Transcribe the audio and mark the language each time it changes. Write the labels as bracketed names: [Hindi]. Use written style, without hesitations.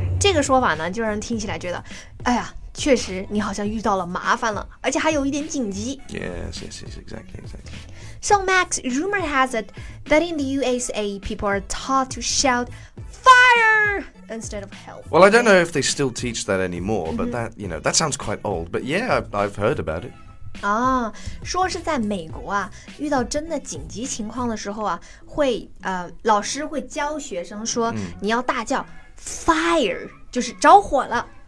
[Chinese] 这个说法呢，就让人听起来觉得，哎呀，确实你好像遇到了麻烦了，而且还有一点紧急。 [English] Yes, exactly. So, Max, rumor has it that in the USA, people are taught to shout fire instead of help. Well, I don't know if they still teach that anymore, but that, you know, that sounds quite old. But yeah, I've heard about it. [Chinese] 啊，说是在美国啊，遇到真的紧急情况的时候啊，会老师会教学生说你要大叫 fire, 就是着火了。